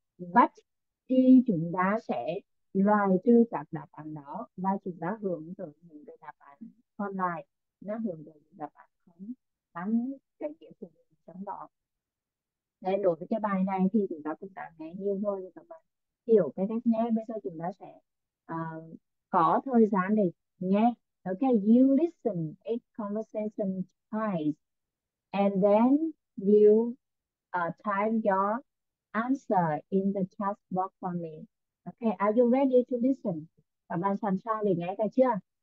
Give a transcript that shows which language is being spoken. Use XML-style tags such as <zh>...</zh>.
<vi>But thì chúng ta sẽ loại trừ các đáp án đó và chúng ta hướng tới những cái đáp án còn lại, nó hướng tới đáp án không tắm cái kiểu của mình trong đó. Nên đối với cái bài này thì chúng ta cũng đã nghe nhiều rồi, các bạn hiểu cái cách nghe. Bây giờ chúng ta sẽ có thời gian để nghe.</vi> <en>Ok, you listen eight conversation twice and then you type your answer in the chat box for me. Ok, are you ready to listen?</en> <vi>Các bạn sẵn sàng để nghe cả chưa?</vi>